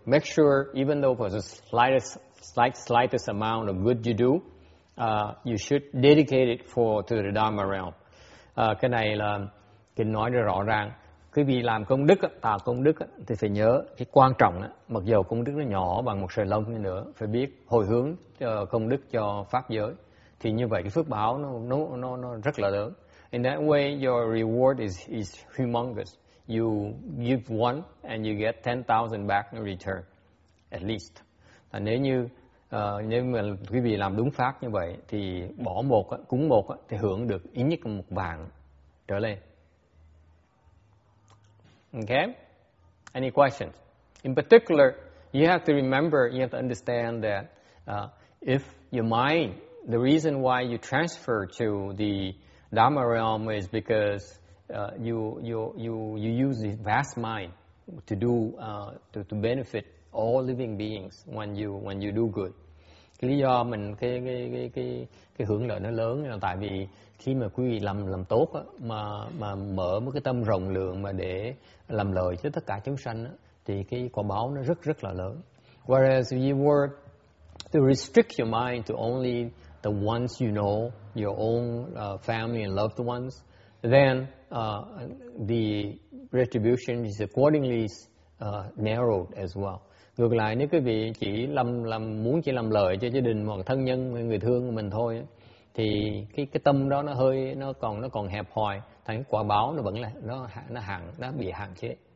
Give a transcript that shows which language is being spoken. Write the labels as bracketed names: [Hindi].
[English] Make sure even though for the slightest amount of good you do, you should dedicate it to the Dharma realm. [Vietnamese] Cái này là kinh nói rất rõ ràng. Quý vị làm công đức, tạo công đức thì phải nhớ cái quan trọng, mặc dù công đức nó nhỏ bằng một sợi lông như nữa, phải biết hồi hướng công đức cho Pháp giới. Thì như vậy cái phước báo nó rất là lớn. [English] In that way, your reward is humongous. You give one and you get 10,000 back in return, at least. [Vietnamese] Và nếu như nếu mà quý vị làm đúng pháp như vậy, thì bỏ một, cúng một thì hưởng được ít nhất một vàng trở lên. [English] Okay, any questions? In particular, you have to remember, you have to understand that if your mind, the reason why you transfer to the Dharma realm is because you use this vast mind to do to benefit all living beings when you do good. [Vietnamese] Cái lý do mình cái hưởng lợi nó lớn là tại vì khi mà quý vị làm tốt á, mà mở một cái tâm rộng lượng mà để làm lợi cho tất cả chúng sanh á, thì cái quả báo nó rất rất là lớn. [English] Whereas if you were to restrict your mind to only the ones you know, your own family and loved ones, then the retribution is accordingly narrowed as well. [Vietnamese] Ngược lại, nếu quý vị chỉ muốn lợi cho gia đình hoặc thân nhân người thương của mình thôi á, thì cái tâm đó nó còn hẹp hòi, thành quả báo nó vẫn là nó bị hạn chế.